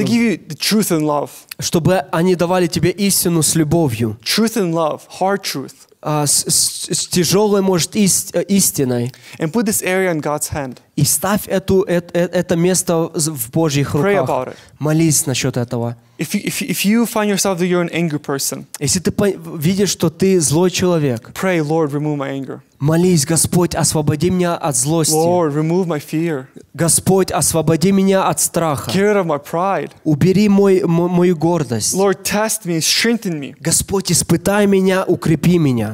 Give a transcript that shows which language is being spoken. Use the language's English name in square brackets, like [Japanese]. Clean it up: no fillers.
[English] They give you the truth and love. [Russian] Чтобы они давали тебе истину с любовью. [English] Truth and love, hard truth. [Russian] С тяжелой, может, истиной. [English] And put this area in God's hand. [Russian] И ставь это место в Божьих руках. [English] Pray about it. [Russian] Молись насчет этого. [English] If you find yourself that you're an angry person. [Russian] Если ты видишь, что ты злой человек. [English] Pray, Lord, remove my anger. [Russian] Молись, Господь, освободи меня от злости. [English] Lord, remove my fear. [Russian] Господь, освободи меня от страха. [English] Get rid of my pride. [Russian] Убери мою гордость. [English] Lord, test me, strengthen me. [Russian] Господь, испытай меня, укрепи меня.